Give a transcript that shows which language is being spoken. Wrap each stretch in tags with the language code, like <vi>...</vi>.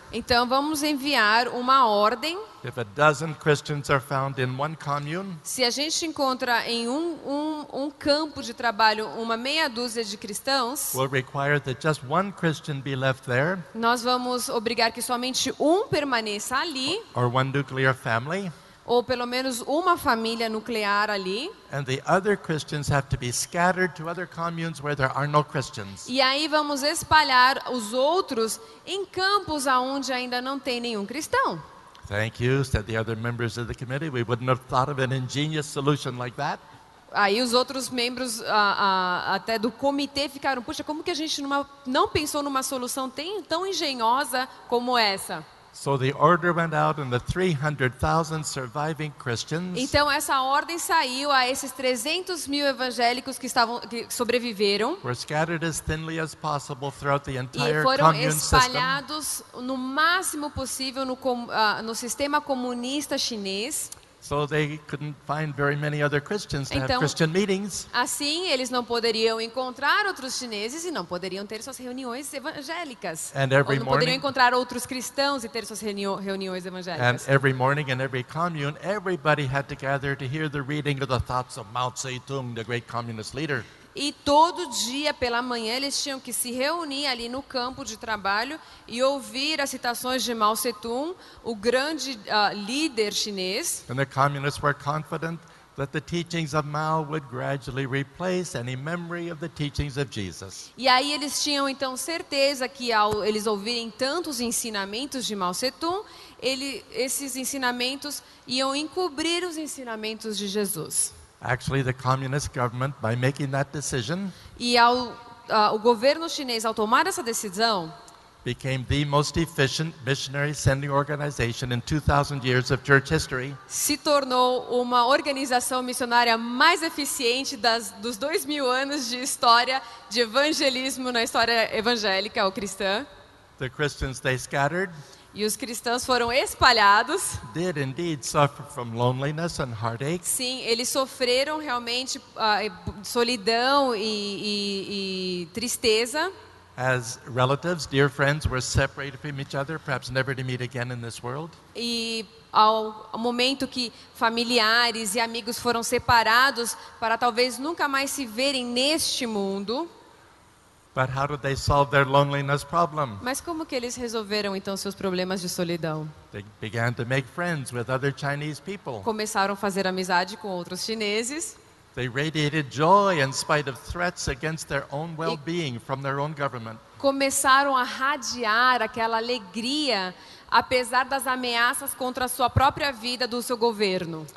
<pt>Então vamos enviar uma ordem.</pt> <en>If a dozen Christians are found in one commune,</en> <pt>se a gente encontra em um campo de trabalho uma meia dúzia de cristãos,</pt> <en>we'll require that just one Christian be left there,</en> <pt>nós vamos obrigar que somente um permaneça ali,</pt> <en>or one nuclear family,</en> <pt>ou pelo menos uma família nuclear ali.</pt> <en>And the other Christians have to be scattered to other communes where there are no Christians.</en> <pt>E aí vamos espalhar os outros em campos aonde ainda não tem nenhum cristão.</pt> <en>Thank you, said the other members of the committee. We wouldn't have thought of an ingenious solution like that.</en> <pt>Aí os outros membros até do comitê ficaram, puxa, como que a gente não pensou numa solução tão engenhosa como essa?</pt> <en>So the order went out and the 300,000 surviving Christians.</en> <pt>Então essa ordem saiu a esses 300 mil evangélicos que sobreviveram.</pt> <en>Were scattered as thinly as possible throughout the entire commune system.</en> <pt>E foram espalhados no máximo possível no sistema comunista chinês.</pt> <en>So they couldn't find very many other Christians to have Christian meetings.</en> <pt>Assim, eles não poderiam encontrar outros chineses e não poderiam ter suas reuniões evangélicas.</pt> <en>And every morning,</en> <pt>não poderiam encontrar outros cristãos e ter suas reuniões evangélicas.</pt> <en>And every morning in every commune, everybody had to gather to hear the reading of the thoughts of Mao Zedong, the great communist leader.</en> <pt>E todo dia pela manhã eles tinham que se reunir ali no campo de trabalho e ouvir as citações de Mao Zedong, o grande líder chinês.</pt> <en>And the communists were confident that the teachings of Mao would gradually replace any memory of the teachings of Jesus.</en> <pt>E aí eles tinham então certeza que ao eles ouvirem tantos ensinamentos de Mao Zedong, esses ensinamentos iam encobrir os ensinamentos de Jesus.</pt> <en>Actually, the communist government, by making that decision,</en> <pt>o governo chinês ao tomar essa decisão,</pt> <en>became the most efficient missionary sending organization in 2,000 years of church history.</en> <pt>Se tornou uma organização missionária mais eficiente dos 2,000 anos de história de evangelismo na história evangélica ou cristã.</pt> <en>The Christians they scattered.</en> <pt>E os cristãos foram espalhados.</pt> <en>Did indeed suffer from loneliness and heartache.</en> <pt>Sim, eles sofreram realmente solidão e tristeza.</pt> <en>As relatives, dear friends, were separated from each other, perhaps never to meet again in this world.</en> <pt>E ao momento que familiares e amigos foram separados para talvez nunca mais se verem neste mundo.</pt> <en>But how did they solve their loneliness problem?</en> <pt>Mas como que eles resolveram então seus problemas de solidão?</pt> <en>They began to make friends with other Chinese people.</en> <pt>Começaram a fazer amizade com outros chineses.</pt> <en>They radiated joy in spite of threats against their own well-being from their own government.</en> <pt>Começaram a radiar aquela alegria apesar das ameaças contra a sua própria vida do seu governo.</pt>